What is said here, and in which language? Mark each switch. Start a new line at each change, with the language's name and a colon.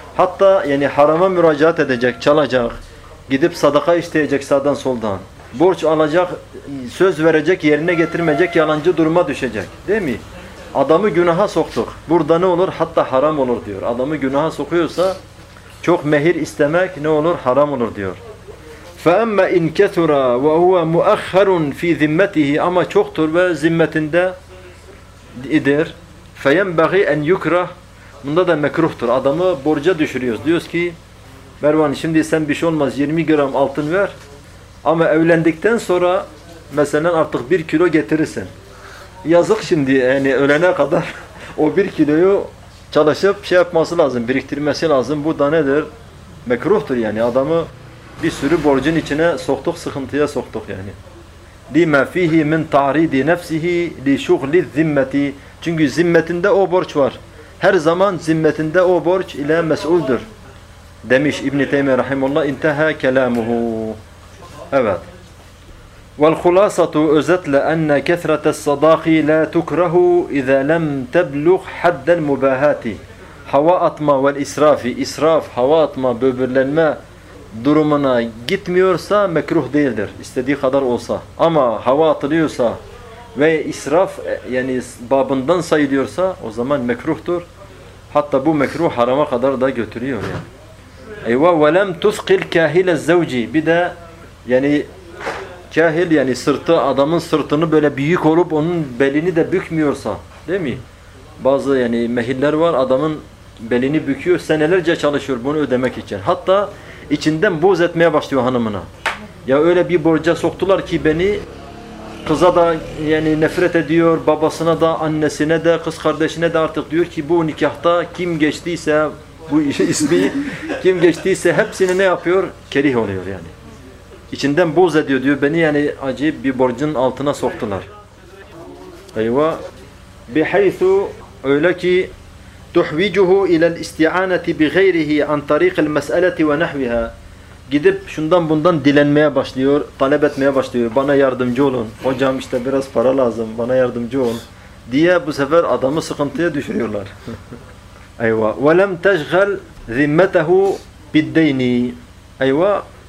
Turkish: Hatta yani harama müracaat edecek, çalacak, gidip sadaka isteyecek sağdan soldan. Borç alacak, söz verecek, yerine getirmeyecek, yalancı duruma düşecek. Değil mi? Adamı günaha soktuk. Burada ne olur? Hatta haram olur diyor. Adamı günaha sokuyorsa çok mehir istemek ne olur? Haram olur diyor.
Arabic: فَاَمَّا اِنْ كَثُرَا وَهُوَ مُؤَخَّرٌ ف۪ي ذِمَّتِهِ,
Turkish: ama çoktur ve zimmetinde idir.
Arabic: فَيَنْبَغِي اَنْ يُكْرَهُ,
Turkish: bunda da mekruhtur. Adamı borca düşürüyoruz. Diyoruz ki Mervan şimdi sen bir şey olmaz 20 gram altın ver. Ama evlendikten sonra mesela artık 1 kilo getirirsin. Yazık şimdi yani ölene kadar o 1 kiloyu çalışıp şey yapması lazım, biriktirmesi lazım. Bu da nedir? Mekruhtur yani. Adamı bir sürü borcun içine soktuk, sıkıntıya soktuk yani.
Arabic: لِمَا ف۪يهِ مِنْ تَعْرِيدِ نَفْسِهِ لِشُغْلِ الذِّمَّةِ,
Turkish: çünkü zimmetinde o borç var. Her zaman zimmetinde o borç ile mesuldür. Demiş İbn-i Teymiye rahimullah.
Arabic: اِنْتَهَا كَلَامُهُ.
Turkish: Evet.
Arabic: وَالْخُلَاسَةُ
Turkish: özetle
Arabic: اَنَّ كَثْرَةَ الصَّدَاقِ لَا تُكْرَهُ اِذَا لَمْ تَبْلُغْ حَدَّ الْمُبَاهَاتِ.
Turkish: Hava atma ve israfi. İsraf, hava atma, böbürlenme durumuna gitmiyorsa mekruh değildir. İstediği kadar olsa. Ama hava atılıyorsa ve israf yani babından sayılıyorsa o zaman mekruhtur. Hatta bu mekruh harama kadar da götürüyor yani.
Arabic: Eyva ve lem tuskil kahile zevci.
Turkish: Bir de yani kahil yani sırtı, adamın sırtını böyle büyük olup onun belini de bükmüyorsa, değil mi? Bazı yani mehiller var, adamın belini büküyor, senelerce çalışıyor bunu ödemek için. Hatta içinden buğz etmeye başlıyor hanımına. Ya öyle bir borca soktular ki beni, kıza da yani nefret ediyor, babasına da, annesine de, kız kardeşine de, artık diyor ki bu nikahta kim geçtiyse, bu ismi kim geçtiyse hepsini ne yapıyor? Kerih oluyor yani. İçinden buğz ediyor diyor, beni yani acayip bir borcun altına soktular. Eyva.
Arabic: بِحَيْثُ
Turkish: öyle ki
Arabic: تُحْوِجُهُ اِلَى الْاِسْتِعَانَةِ بِغَيْرِهِ عَنْ تَرِيقِ الْمَسْأَلَةِ وَنَحْوِهَا.
Turkish: Gidip şundan bundan dilenmeye başlıyor, talep etmeye başlıyor. Bana yardımcı olun, hocam işte biraz para lazım, bana yardımcı olun diye bu sefer adamı sıkıntıya düşürüyorlar.
Arabic: Eyva. وَلَمْ تَشْغَلْ ذِمَّتَهُ بِالدَّيْنِ. Eyva.